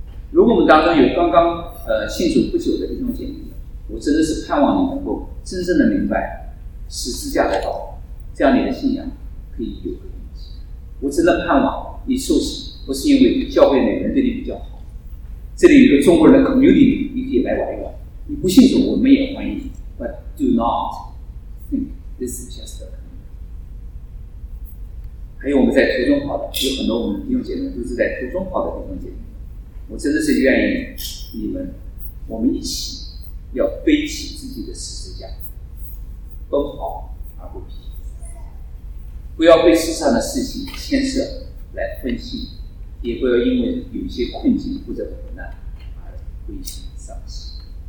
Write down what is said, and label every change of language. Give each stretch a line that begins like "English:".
Chinese: 如果我们当中有刚刚信主不久的弟兄姐妹，我真的是盼望你能够真正的明白十字架的道，这样你的信仰可以有个根基。我真的盼望你受洗不是因为教会哪个人对你比较好，这里有个中国人的 community， 你可以来玩一玩。你不信主，我们也欢迎你。
English: But do not think this is just a community。
Chinese: 还有我们在途中跑的，有很多我们弟兄姐妹都是在途中跑的弟兄姐妹。我真的是愿意你们，我们一起要背起自己的十字架，奔跑而不疲，不要被世上的事情牵涉来分心，也不要因为有些困境或者苦难而灰心丧气。